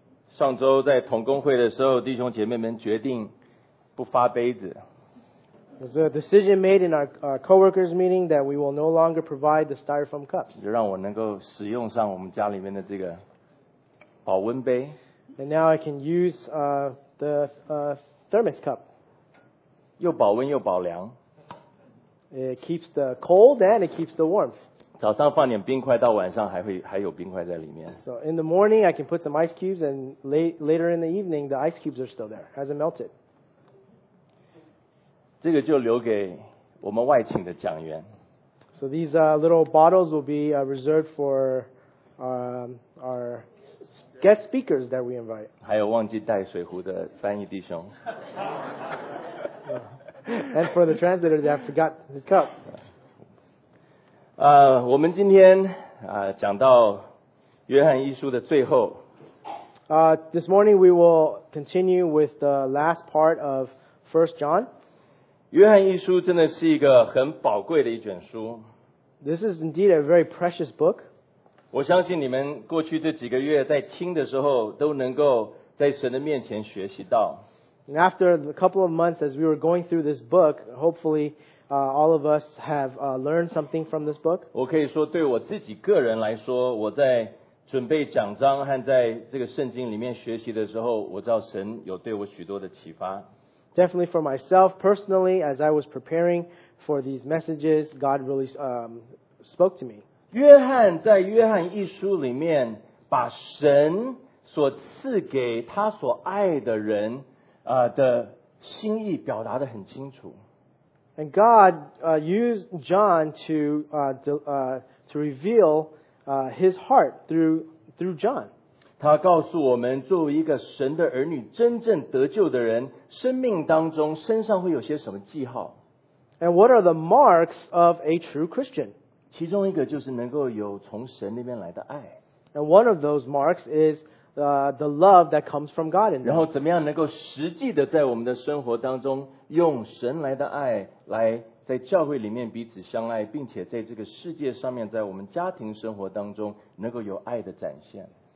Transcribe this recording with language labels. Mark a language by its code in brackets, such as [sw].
[zh] 上周在同工会的时候，弟兄姐妹们决定不发杯子。 [en] There's a decision made in our co-workers meeting that we will no longer provide the styrofoam cups. [zh] 让我能够使用上我们家里面的这个保温杯。 [en] And now I can use thermos cup. [zh] 又保温又保凉。 [en] It keeps the cold and it keeps the warmth. [zh] 早上放点冰块，到晚上还有冰块在里面。 [en] So in the morning I can put some ice cubes, and later in the evening the ice cubes are still there, hasn't melted. [zh] 这个就留给我们外勤的讲员。 [en] So these little bottles will be reserved for our guest speakers that we invite. [zh] 还有忘记带水壶的翻译弟兄。 [en] And for the translator that forgot his cup. [zh] 我们今天讲到约翰一书的最后。 [en] This morning we will continue with the last part of 1 John. [zh] 约翰一书真的是一个很宝贵的一卷书。 [en] This is indeed a very precious book. [zh] 我相信你们过去这几个月在听的时候都能够在神的面前学习到。 [en] And after a couple of months as we were going through this book, hopefully,all of us have learned something from this book. [zh] 我可以说对我自己个人来说，我在准备讲章和在这个圣经里面学习的时候，我知道神有对我许多的启发。 [en] Definitely for myself, personally, as I was preparing for these messages, God really spoke to me. [zh] 约翰在约翰一书里面把神所赐给他所爱的人的心意表达得很清楚。 [en] And God used John to reveal his heart through John. [zh] 他告诉我们，作为一个神的儿女，真正得救的人，生命当中身上会有些什么记号。 [en] And what are the marks of a true Christian? [zh] 其中一个就是能够有从神那边来的爱。 [en] And one of those marks is the love that comes from God in them. [zh] 然后怎么样能够实际的在我们的生活当中用神来的爱来在教会里面彼此相爱，并且在这个世界上面，在我们家庭生活当中能够有爱的展现。